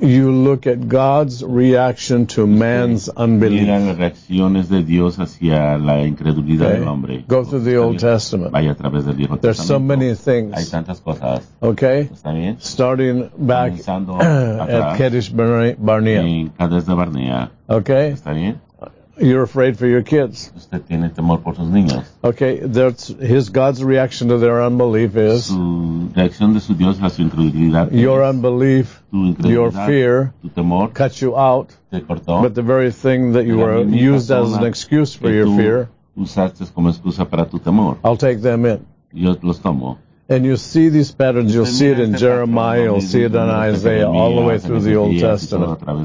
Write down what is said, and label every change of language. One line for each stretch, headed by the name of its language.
English: You look at God's reaction to man's unbelief.
Spanish: Miran las reacciones de Dios hacia la incredulidad del hombre.
English: Go through the Old Testament.
Spanish: Vaya a través del Viejo Testamento.
English: There's so many things.
Spanish: Hay tantas cosas.
English: Okay.
Spanish: ¿Está bien?
English: Starting back at Kadesh Barnea.
Spanish: En Kadesh de Barnea.
English: Okay.
Spanish: ¿Está bien?
English: You're afraid for your kids.
Spanish: Usted tiene temor por sus niños.
English: Okay, that's his God's reaction to their unbelief is.
Spanish: Su reacción de su Dios a su incredulidad.
English: Your unbelief,
Spanish: tu incredulidad,
English: your fear,
Spanish: tu temor,
English: cut you out.
Spanish: Te cortó.
English: But the very thing that you were used as an excuse for your fear.
Spanish: Usaste como excusa para tu temor.
English: I'll take them in.
Spanish: Yo los tomo.
English: And you see these patterns, you'll see it in Jeremiah, you'll see it in Isaiah, all the way through the Old Testament.